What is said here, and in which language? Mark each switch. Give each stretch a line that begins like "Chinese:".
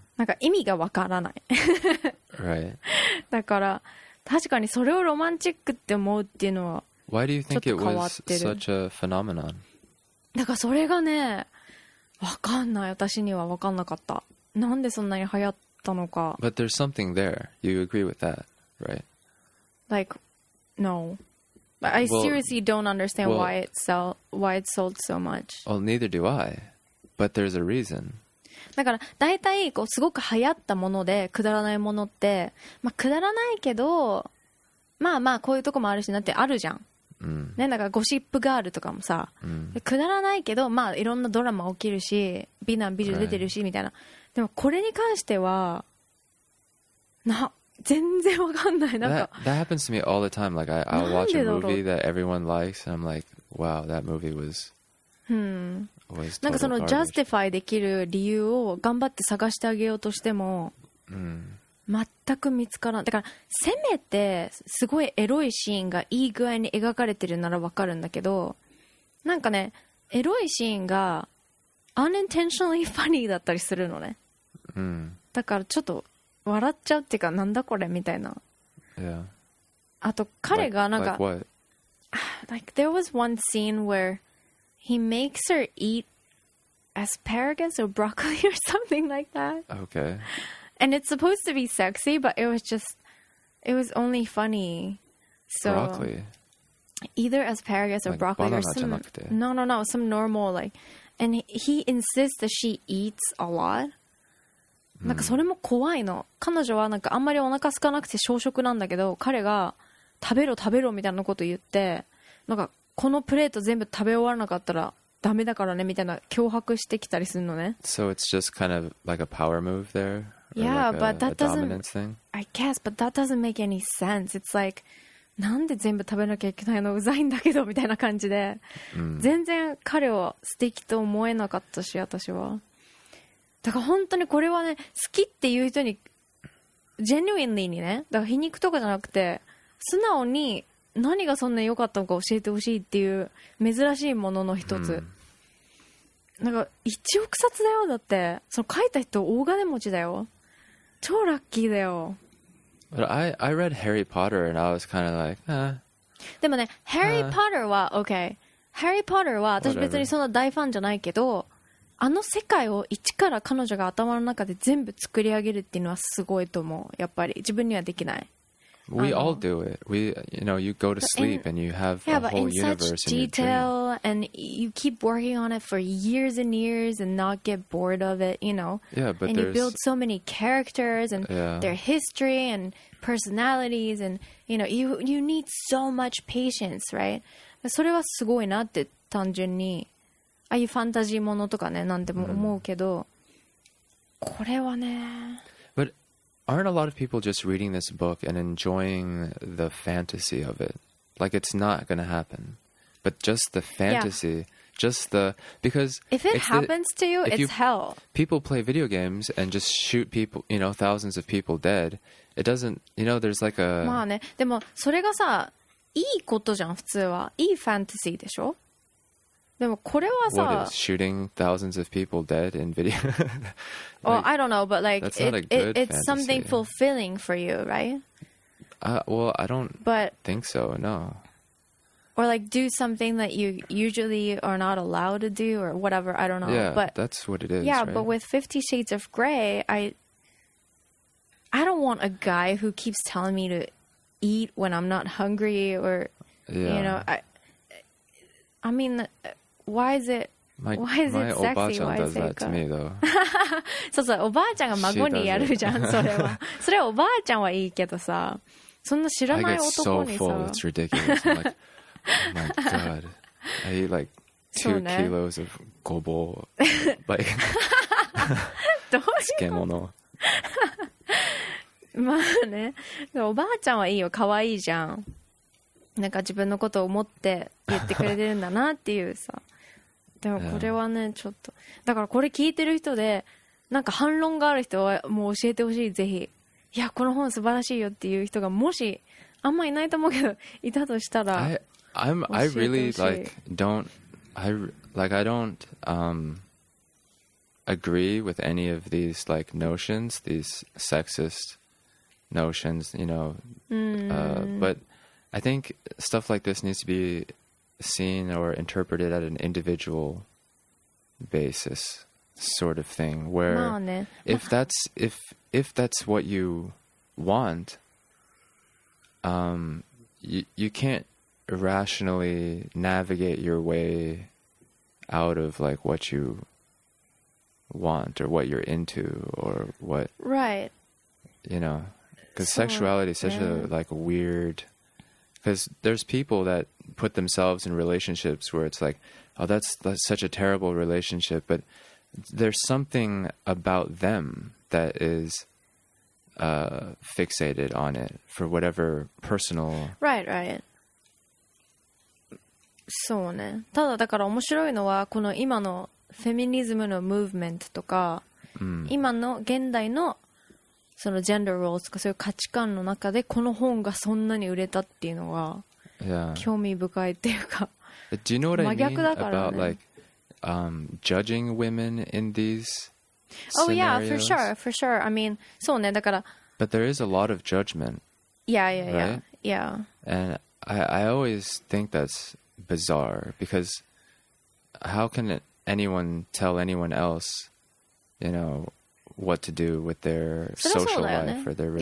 Japanese: なんか意味がわからない
English: right.
Japanese: だから確かにそれをロマンチックって思うっていうのはちょっと変わってる
English: such a phenomenon?
Japanese: だからそれがねわかんない私にはわかんなかったなんでそんなに流行ったのか
English: but there's something there you agree with that right? like noI seriously don't understand why it sold so much. Well, neither do I. But there's a reason.
Japanese: だから大体こうすごく流行ったものでくだらないものって、まあ、くだらないけどまあまあこういうとこもあるしなってあるじゃん。 Mm. ね、だからゴシップガールとかもさ、 mm. くだらないけどまあいろんなドラマ起きるし美男美女出てるし、
English: right.
Japanese: みたいな。でもこれに関してはな全然わかんない。なんか
English: that happens to me all the time. Like I'll watch a movie that everyone likes, and I'm like, wow, that movie was.
Japanese: Was なんかその justify できる理由を頑張って探してあげようとしても、全く見つからん。だからせめてすごいエロいシーンがいい具合に描かれてるならわかるんだけど、なんかね、エロいシーンが
English: unintentionally funny
Japanese: だったりするのね。うん。だからちょっと笑っちゃうっていうか、なんだこれみたいな。
English: Yeah.
Japanese: あと彼がなんか、
English: like what? Like there was one scene where he makes her eat asparagus or broccoli or something like that. Okay. And it's supposed to be sexy, but it was just, it was only funny. So, broccoli. Either asparagus or like broccoli or some, no, some normal, like, and he insists that she eats a lot.
Japanese: なんかそれも怖いの。彼女はなんかあんまりお腹空かなくて小食なんだけど、彼が食べろ食べろみたいなこと言って、なんかこのプレート全部食べ終わらなかったらダメだからねみたいな脅迫してきたりするのね。
English: So it's just kind of like a power move there? Yeah, like but that doesn't dominance thing? I guess, but that doesn't make any sense. It's like
Japanese: なんで全部食べなきゃいけないの、うざいんだけどみたいな感じで、全然彼を素敵と思えなかったし、私は。だから本当にこれはね、好きっていう人に、genuinely にね、だから皮肉とかじゃなくて、素直に何がそんなに良かったのか教えてほしいっていう、珍しいものの一つ。なんか、1億冊だよ、だって。その書いた人、大金持ちだよ。超ラッキーだよ。
English: But I read Harry Potter and I was kind of like, huh.
Japanese: でもね、Harry Potter は、okay. Harry Potter は、私別にそんな大ファンじゃないけど、あの世界を一から彼女が頭の中で全部作り上げるっていうのはすごいと思う。やっぱり自分にはできない。
English: We all do it. We, you know, you go to sleep and you have the whole universe in your dream. Yeah, but in such detail and you keep working on it for years and years and not get bored of it, you know. Yeah, but and you build so many characters and their history and personalities and, you know, you need so much patience, right?
Japanese: それはすごいなって単純に。ああいうファンタジーものとかね、なんて思うけど、これはね。
English: But aren't a lot of people just reading this book and enjoying the fantasy of it? Like it's not going to happen, but just the fantasy, just the because if it happens to you, it's hell. People play video games and just shoot people, you know, thousands of people dead. It doesn't, you know, there's like a.
Japanese: まあね、でもそれがさ、いいことじゃん。普通はいいファンタジーでしょ。でもこれはさ、
English: what is shooting thousands of people dead in video? Like, well, I don't know, but like it's something fulfilling for you, right? Well, I don't think so, no. Or like do something that you usually are not allowed to do or whatever, I don't know. Yeah, but that's what it is. Yeah, right? But with Fifty Shades of Grey, I don't want a guy who keeps telling me to eat when I'm not hungry or you know, I mean, why is it, why is it sexy? My obachan does that to me, though.
Japanese: そうそう、おばあちゃんが孫にやるじゃん、それは。それはおばあちゃんはいいけどさ、そんな知らない男にさ。
English: I get so full, it's ridiculous. Like, oh my god. I eat like 2 kilos of ごぼう。
Japanese: どういうこと？漬物。まあね、おばあちゃんはいいよ、かわいいじゃん。なんか自分のことを思って言ってくれてるんだなっていうさ。でもこれはね、ちょっとだからこれ聞いてる人でなんか反論がある人はもう教えてほしい、ぜひ。いや、この本素晴らしいよっていう人がもしあんまいないと思うけど、いたとしたら教えてほしい。
English: I really like don't I like I don't agree with any of these like notions, these sexist notions, you know, butI think stuff like this needs to be seen or interpreted at an individual basis sort of thing, where if that's what you want, you can't rationally navigate your way out of like what you want or what you're into or what, right, you know, because sexuality is such a like weird, because there's people that put themselves in relationships where it's like, oh, that's such a terrible relationship, but there's something about them that is fixated on it for whatever personal, right.
Japanese: そうね。ただだから面白いのはこの今のフェミニズムのムーブメントとか、今の現代のそのジェンダーロールとかそういう価値観の中でこの本がそんなに売れたっていうのが興味深いっていうか、
English: yeah. Do you know what I mean about like judging women in these scenarios? Oh yeah, for sure, for sure. I mean,
Japanese: そうね、だから。
English: But there is a lot of judgment. Yeah, yeah, right? yeah. And I always think that's bizarre because how can anyone tell anyone else, you know, what to do with their social life or their relationships?